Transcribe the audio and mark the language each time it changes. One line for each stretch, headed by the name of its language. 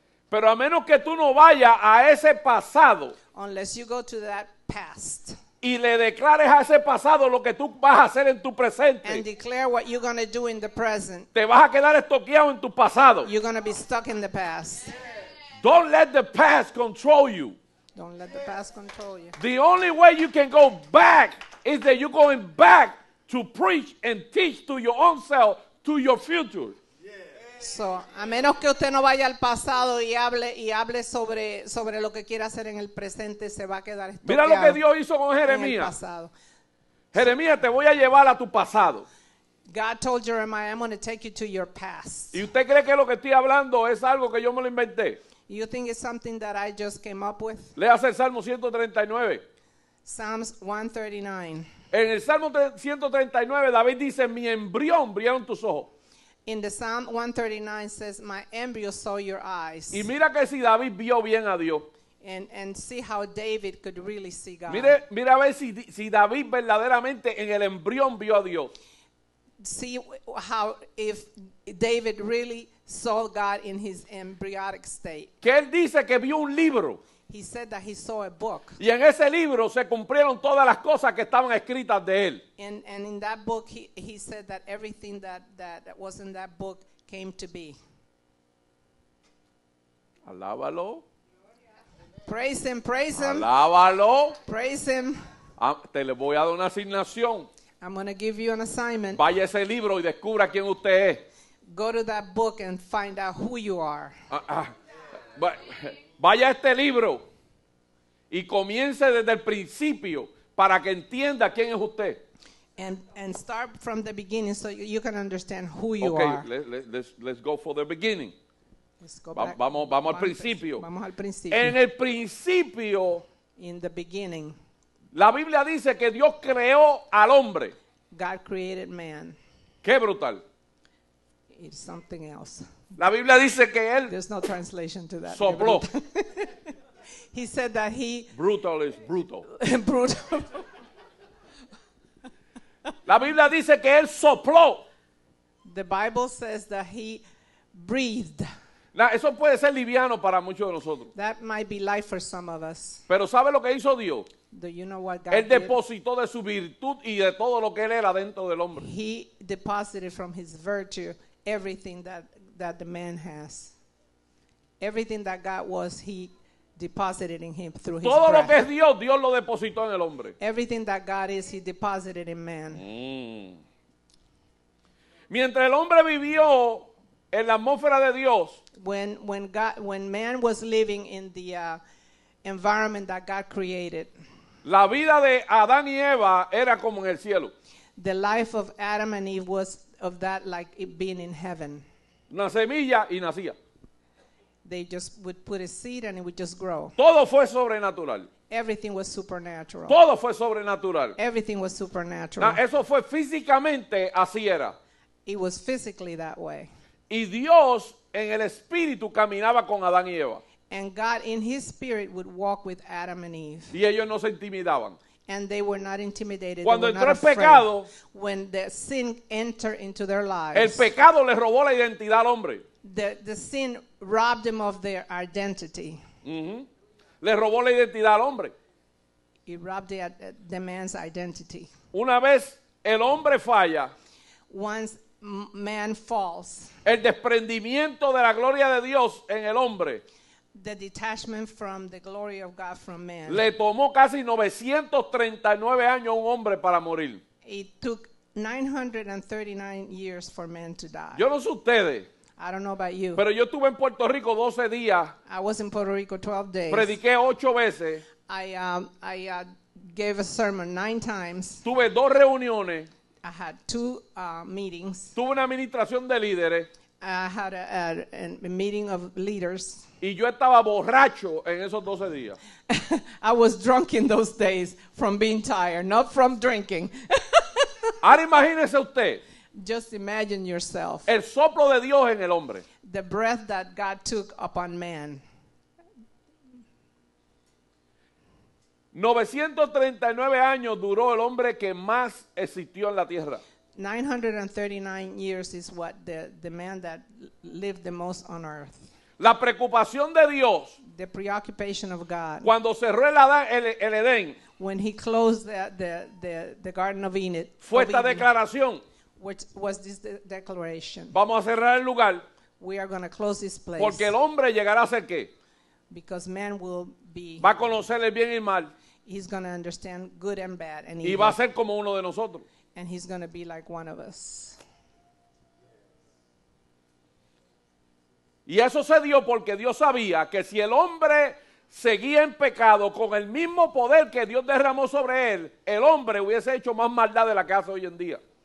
Spanish: Pero a menos que tú no vayas a ese pasado.
English: unless you go to that past.
Spanish: Y le declares a ese pasado lo que tú vas a hacer en tu presente.
English: And declare what you're going to do in the present.
Spanish: Te vas a quedar estoqueado en tu pasado.
English: You're going to be stuck in the past. Don't let the past control you. Don't let the past control you. The only way you can go back is that you're going back to preach and teach to your own self, to your future.
Spanish: So, a menos que usted no vaya al pasado y hable sobre lo que quiere hacer en el presente, se va a quedar estancado. Mira lo que Dios hizo con Jeremías. Jeremías, te voy a llevar a tu pasado.
English: God told Jeremiah, I'm going to take you to your past.
Spanish: ¿Y usted cree que lo que estoy hablando es algo que yo me lo inventé?
English: You think it's something that I just came up with?
Spanish: Léase el Salmo 139.
English: Psalms 139.
Spanish: En el Salmo 139, David dice, mi embrión brillaron tus ojos.
English: In the Psalm 139 says, my embryo saw your eyes.
Spanish: Y mira que si David vio bien a Dios.
English: And see how David could really see God.
Spanish: Mira a ver si David verdaderamente en el embrión vio a Dios.
English: See how if David really saw God in his embryonic state.
Spanish: Que él dice que vio un libro.
English: He said that he saw a book.
Spanish: Y en ese libro se cumplieron todas las cosas que estaban escritas de él.
English: And in that book he said that everything that was in that book came to be.
Spanish: Alábalo.
English: Praise him, praise him.
Spanish: Alábalo.
English: Praise him.
Spanish: Te le voy a dar una asignación.
English: I'm going to give you an assignment.
Spanish: Vaya ese libro y descubra quién usted es.
English: Go to that book and find out who you are.
Spanish: Vaya este libro y comience desde el principio para que entienda quién es usted.
English: And start from the beginning so you can understand who you okay, are. Okay, let's go for the beginning. Let's go back.
Spanish: Vamos al principio. Vamos al principio. En el principio.
English: In the beginning.
Spanish: La Biblia dice que Dios creó al hombre.
English: God created man.
Spanish: Qué brutal.
English: It's something else.
Spanish: La Biblia dice que él
English: there's no translation to that.
Spanish: Sopló.
English: He said that he brutal is brutal.
Spanish: Brutal. La Biblia dice que él sopló.
English: The Bible says that he breathed.
Spanish: Now, eso puede ser liviano para muchos de nosotros.
English: That might be life for some of us.
Spanish: Pero ¿sabe lo que hizo Dios?
English: Do you know what God did?
Spanish: Él depositó de su virtud y de todo lo que él era dentro del hombre.
English: He deposited from his virtue everything that the man has. Everything that God was, he deposited in him through his
Spanish: todo
English: breath.
Spanish: Lo que es Dios, Dios lo depositó en el hombre.
English: Everything that God is, he deposited in man.
Spanish: Mientras el hombre vivió en la atmósfera de Dios,
English: when man was living in the environment that God created,
Spanish: la vida de Adán y Eva era como en el cielo.
English: The life of Adam and Eve was of that like it being in heaven.
Spanish: Una semilla y nacía.
English: They just would put a seed and it would just grow.
Spanish: Todo fue sobrenatural.
English: Everything was supernatural.
Spanish: Todo fue sobrenatural.
English: Everything was supernatural.
Spanish: Now, eso fue físicamente, así era.
English: It was physically that way.
Spanish: Y Dios en el espíritu caminaba con Adán y Eva.
English: And God in his spirit would walk with Adam and Eve.
Spanish: Y ellos no se intimidaban.
English: And they were not intimidated.
Spanish: Cuando
English: they were
Spanish: entró
English: not
Spanish: el pecado,
English: when the sin entered into their lives,
Spanish: el pecado les robó la identidad al hombre.
English: The sin robbed them of their identity.
Spanish: Mm-hmm. Les robó la identidad al hombre.
English: It robbed the man's identity.
Spanish: Una vez el hombre falla,
English: once man falls,
Spanish: el desprendimiento de la gloria de Dios en el hombre,
English: the detachment from the glory of God from man.
Spanish: Le tomó casi 939 años a un hombre para morir.
English: It took 939 years for man to die.
Spanish: Yo no sé ustedes.
English: I don't know about you.
Spanish: Pero yo estuve en Puerto Rico 12 días.
English: I was in Puerto Rico 12 days.
Spanish: Prediqué 8 veces.
English: I gave a sermon 9 times.
Spanish: Tuve 2 reuniones.
English: I had 2 meetings.
Spanish: Tuve una administración de líderes.
English: I had a meeting of leaders.
Spanish: Y yo estaba borracho en esos 12 días.
English: I was drunk in those days from being tired, not from drinking.
Spanish: Ahora imagínese usted.
English: Just imagine yourself.
Spanish: El soplo de Dios en el hombre.
English: The breath that God took upon man.
Spanish: 939 años duró el hombre que más existió en la tierra.
English: 939 years is what the man that lived the most on earth.
Spanish: La preocupación de Dios,
English: the preoccupation of God.
Spanish: Cuando cerró el Edén,
English: when he closed the Garden of Eden,
Spanish: fue esta declaración.
English: Which was this declaration.
Spanish: Vamos a cerrar el lugar.
English: We are going to close this place.
Spanish: Porque el hombre llegará a ser qué?
English: Because man will be.
Spanish: Va a conocer el bien y el mal.
English: He's going to understand good and bad. And
Spanish: y va a ser como uno de nosotros.
English: And he's going to be like one of us.
Spanish: Y eso se dio porque Dios sabía que si el hombre seguía en pecado con el mismo poder que Dios derramó sobre él, el hombre hubiese hecho más maldad de la que hace hoy en día.